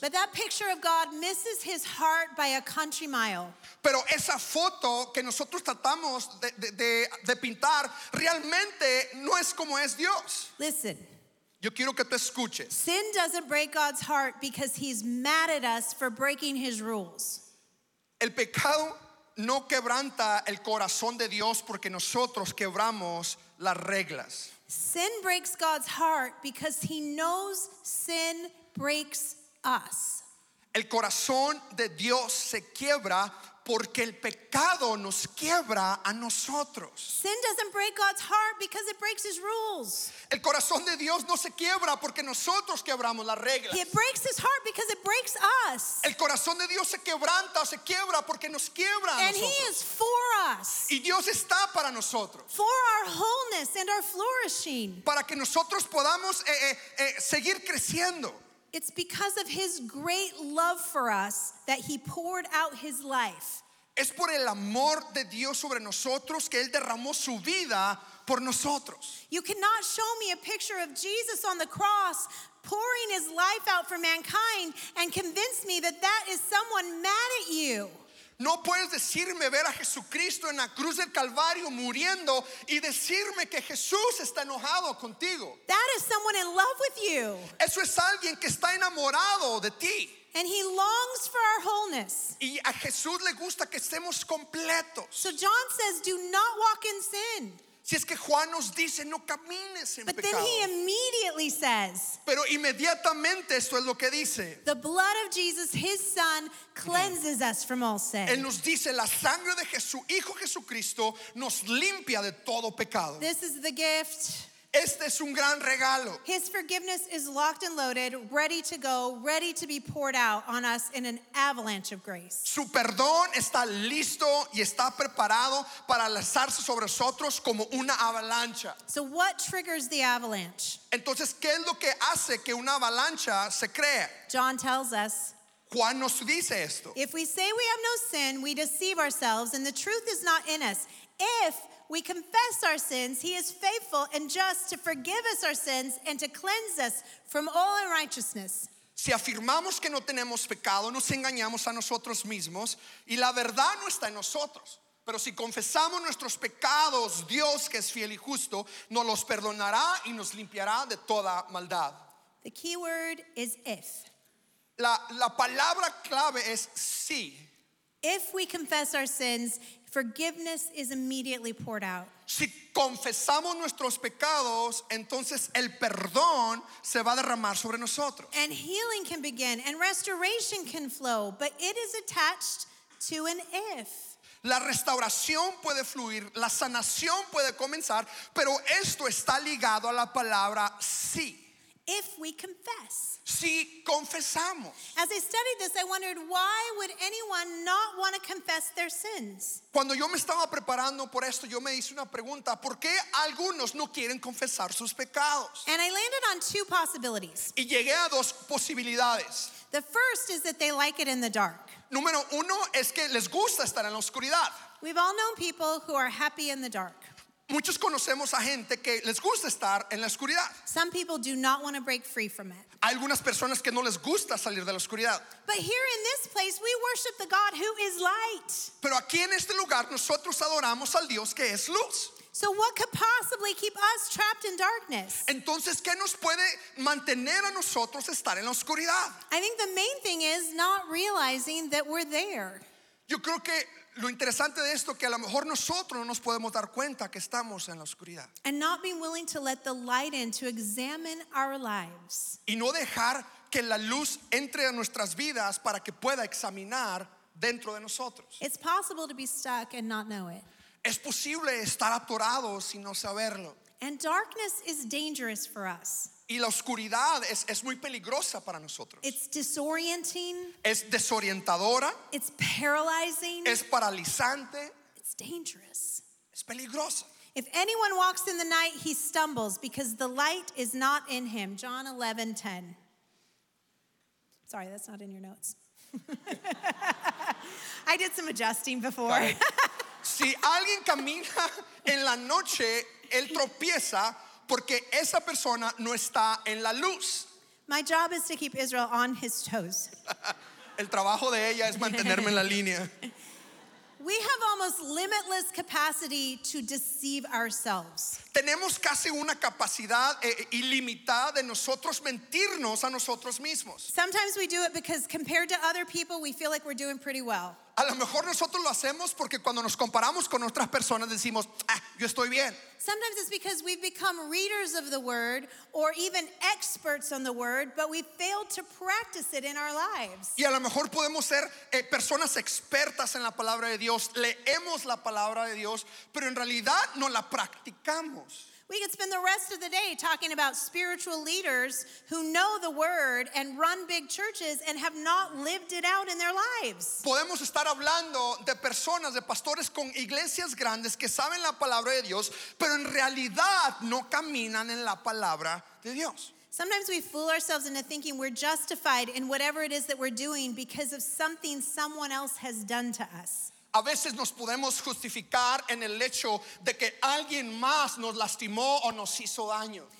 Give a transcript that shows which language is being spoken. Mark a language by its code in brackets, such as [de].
[en] But that picture of God misses his heart by a country mile. [es] Pero esa foto que nosotros tratamos de pintar realmente no es como es Dios. [en] Listen. [es] Yo quiero que te escuches. [en] Sin doesn't break God's heart because he's mad at us for breaking his rules. [es] El pecado no quebranta el corazón de Dios porque nosotros quebramos las reglas. [en] Sin breaks God's heart because he knows sin breaks us. [es] El corazón de Dios se quiebra porque el pecado nos quiebra a nosotros. [en] Sin doesn't break God's heart because it breaks his rules. [es] El corazón de Dios no se quiebra porque nosotros quebramos las reglas. [en] It breaks his heart because it breaks us. [es] El corazón de Dios se quiebra porque nos quiebra a nosotros. [en] And he is for us. [es] Y Dios está para nosotros. [en] For our wholeness and our flourishing. [es] Para que nosotros podamos seguir creciendo. [en] It's because of his great love for us that he poured out his life. [es] Es por el amor de Dios sobre nosotros que él derramó su vida por nosotros. [en] You cannot show me a picture of Jesus on the cross pouring his life out for mankind and convince me that that is someone mad at you. [es] No puedes decirme ver a Jesucristo en la cruz del Calvario muriendo y decirme que Jesús está enojado contigo. [en] That is someone in love with you. [es] Eso es alguien que está enamorado de ti. [en] And he longs for our wholeness. [es] Y a Jesús le gusta que estemos completos. [en] So John says, do not walk in sin. [es] Si es que Juan nos dice, no camines en [en] But [es] pecado. [en] Then he immediately says, [es] pero inmediatamente esto es lo que dice. [en] The blood of Jesus, his son, cleanses us from all sin. [es] Él nos dice, la sangre de su Hijo Jesucristo nos limpia de todo pecado. [en] This is the gift. [es] Este es un gran regalo. [en] His forgiveness is locked and loaded, ready to go, ready to be poured out on us in an avalanche of grace. [es] Su perdón está listo y está preparado para lanzarse sobre nosotros como una avalancha. [en] So what triggers the avalanche? [es] Entonces, ¿qué es lo que hace que una avalancha se crea? [en] John tells us. [es] Juan nos dice esto. [en] If we say we have no sin, we deceive ourselves and the truth is not in us. If we confess our sins, he is faithful and just to forgive us our sins and to cleanse us from all unrighteousness. [es] Si afirmamos que no tenemos pecado, nos engañamos a nosotros mismos y la verdad no está en nosotros. Pero si confesamos nuestros pecados, Dios, que es fiel y justo, nos los perdonará y nos limpiará de toda maldad. [en] The key word is if. [es] La palabra clave es sí. [en] If we confess our sins, forgiveness is immediately poured out. [es] Si confesamos nuestros pecados, entonces el perdón se va a derramar sobre nosotros. [en] And healing can begin and restoration can flow, but it is attached to an if. [es] La restauración puede fluir, la sanación puede comenzar, pero esto está ligado a la palabra sí. [en] If we confess. [es] Si confesamos. [en] As I studied this, I wondered why would anyone not want to confess their sins? [es] Cuando yo me estaba preparando por esto, yo me hice una pregunta, ¿por qué algunos no quieren confesar sus pecados? [en] And I landed on two possibilities. [es] Y llegué a dos posibilidades. [en] The first is that they like it in the dark. [es] Número uno es que les gusta estar en la oscuridad. [en] We've all known people who are happy in the dark. [es] Muchos conocemos a gente que les gusta estar en la oscuridad. [en] Some people do not want to break free from it. [es] Hay algunas personas que no les gusta salir de la oscuridad. [en] But here in this place we worship the God who is light. [es] Pero aquí en este lugar nosotros adoramos al Dios que es luz. [en] So what could possibly keep us trapped in darkness? [es] Entonces, ¿qué nos puede mantener a nosotros estar en la oscuridad? [en] I think the main thing is not realizing that we're there. [es] Yo creo que lo interesante de esto que a lo mejor nosotros no nos podemos dar cuenta que estamos en la oscuridad. [en] And not being willing to let the light in to examine our lives. [es] Y no dejar que la luz entre a nuestras vidas para que pueda examinar dentro de nosotros. [en] It's possible to be stuck and not know it. [es] Es posible estar atorado sin no saberlo. [en] And darkness is dangerous for us. [es] Y la oscuridad es muy peligrosa para nosotros. [en] It's disorienting. [es] Es desorientadora. [en] It's paralyzing. [es] Es paralizante. [en] It's dangerous. [es] Es peligrosa. [en] If anyone walks in the night, he stumbles because the light is not in him. John 11, 10. Sorry, that's not in your notes. I did some adjusting before. [es] Si alguien camina en la noche, él tropieza porque esa persona no está en la luz. [en] My job is to keep Israel on his toes. [es] El trabajo de ella es mantenerme en la línea. [en] We have almost limitless capacity to deceive ourselves. [es] Tenemos casi una capacidad ilimitada de nosotros mentirnos a nosotros mismos. [en] Sometimes we do it because compared to other people, we feel like we're doing pretty well. [es] A lo mejor nosotros lo hacemos porque cuando nos comparamos con otras personas decimos, ah, yo estoy bien. [en] Sometimes it's because we've become readers of the word or even experts on the word, but we failed to practice it in our lives. [es] Y a lo mejor podemos ser personas expertas en la palabra de Dios, leemos la palabra de Dios, pero en realidad no la practicamos. [en] We could spend the rest of the day talking about spiritual leaders who know the word and run big churches and have not lived it out in their lives. [es] Podemos estar hablando de personas, de pastores con iglesias grandes que saben la palabra de Dios, pero en realidad no caminan en la palabra de Dios. [en] Sometimes we fool ourselves into thinking we're justified in whatever it is that we're doing because of something someone else has done to us. [es] A veces nos podemos justificar en el hecho de que alguien más nos lastimó o nos hizo daño.